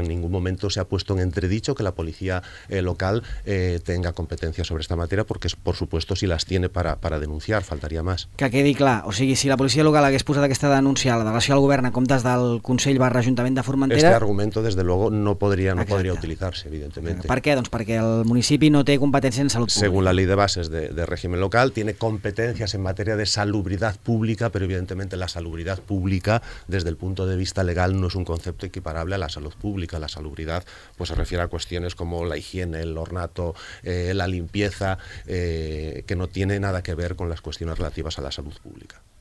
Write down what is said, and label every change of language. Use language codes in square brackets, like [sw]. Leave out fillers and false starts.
[es] En ningún momento se ha puesto en entredicho que la policía local tenga competencia sobre esta materia, porque, por supuesto, si las tiene para denunciar, faltaría más. [ca] Que quedi clar. O sigui, si la policía local hagués posat aquesta denúncia a la delegació del govern en comptes del Consell barra Ajuntament de Formentera... [es] Este argumento, desde luego, no podría, no podría utilizarse, evidentemente. [ca] Per què? Doncs perquè el municipi no té competència en salut pública. [es] Según la ley de bases de régimen local, tiene competencias en materia de salubridad pública, pero, evidentemente, la salubridad pública, desde el punto de vista legal, no es un concepto equiparable. Habla la salud pública, la salubridad, pues se refiere a cuestiones como la higiene, el ornato, la limpieza, que no tiene nada que ver con las cuestiones relativas a la salud pública.